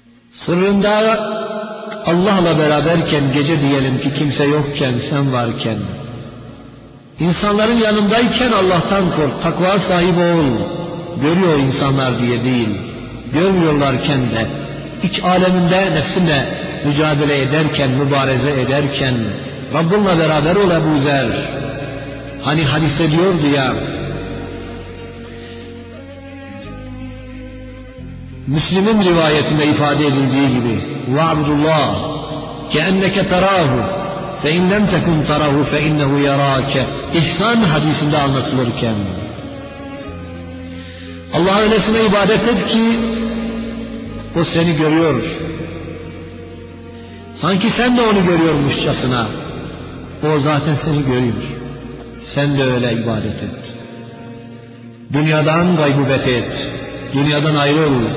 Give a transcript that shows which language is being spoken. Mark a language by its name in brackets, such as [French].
[Turkish] Sırrında Allah'la beraberken, gece diyelim ki kimse yokken, sen varken, insanların yanındayken Allah'tan kork, takva sahibi ol, görüyor insanlar diye değil, görmüyorlarken de, iç aleminde nefsinle mücadele ederken, mübareze ederken, Rabbinle beraber ol Ebu Zer. Hani hadise diyordu ya, Müslim'in rivayetinde ifade edildiği gibi: [Arabic] "Ve abdullah ke enneke terahu فَاِنْ لَمْ تَكُنْ تَرَهُ فَاِنَّهُ يَرَاكَ [Turkish] İhsan hadisinde anlatılırken. Allah'a öylesine ibadet et ki o seni görüyor. Sanki sen de onu görüyormuşçasına. O zaten seni görüyor. Sen de öyle ibadet et. Dünyadan gaybubet et. Dünyadan ayrıl.